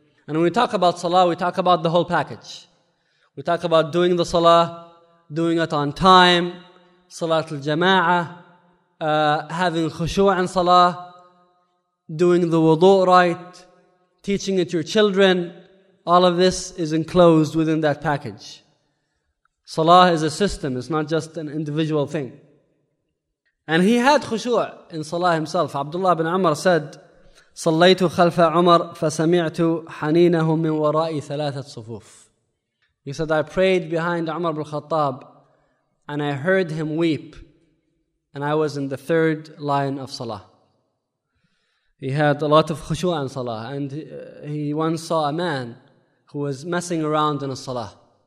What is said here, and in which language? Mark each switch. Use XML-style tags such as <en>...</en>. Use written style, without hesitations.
<en>And when we talk about salah, we talk about the whole package. We talk about doing the salah, doing it on time, salat al-jama'ah, having khushu' in salah, doing the wudu' right, teaching it to your children. All of this is enclosed within that package. Salah is a system, it's not just an individual thing. And he had khushu' in salah himself.</en> <ar>Abdullah ibn Umar said, صَلَّيْتُ خَلْفَ عُمَرْ فَسَمِعْتُ حَنِينَهُمْ مِنْ وَرَائِ ثَلَاثَةَ صُفُوفٍ.</ar> <en>He said, I prayed behind Umar ibn Khattab and I heard him weep and I was in the third line of salah. He had a lot of khushu' in salah, and he once saw a man who was messing around in a salah.</en>